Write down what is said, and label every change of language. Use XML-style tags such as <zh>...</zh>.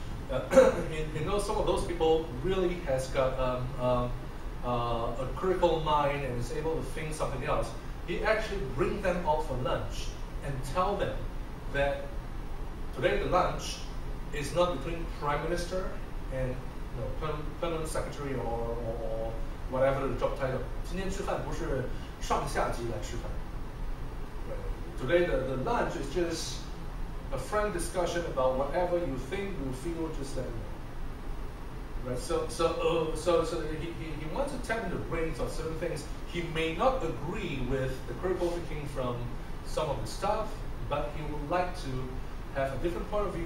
<en>he knows some of those people really has got a critical mind and is able to think something else. He actually bring them out for lunch and tell them that today the lunch is not between Prime Minister and Permanent Secretary or whatever the job title.</en> <zh>今天吃饭不是上下级来吃饭。</zh> <en>Today the lunch is just a frank discussion about whatever you think you feel just then. Right? So he wants to tap into the brains of certain things. He may not agree with the critical thinking from some of the staff, but he would like to have a different point of view.</en>